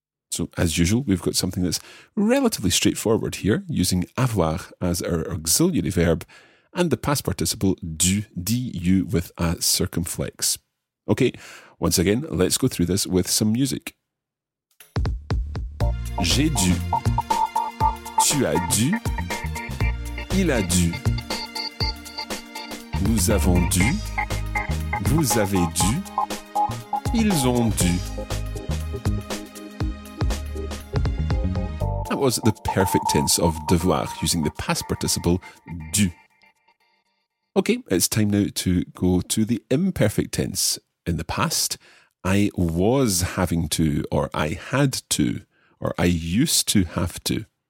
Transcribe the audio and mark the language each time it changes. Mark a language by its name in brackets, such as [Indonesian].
[English] So, as usual, we've got something that's relatively straightforward here, using avoir as our auxiliary verb, and the past participle dû, D-U, with a circumflex. Okay, once again, let's go through this with some music. [French] J'ai dû, tu as dû, il a dû, nous avons dû, vous avez dû, ils ont dû. [English] That was the perfect tense of devoir using the past participle dû. Okay, it's time now to go to the imperfect tense. In the past, I was having to, or I had to, or I used to have to.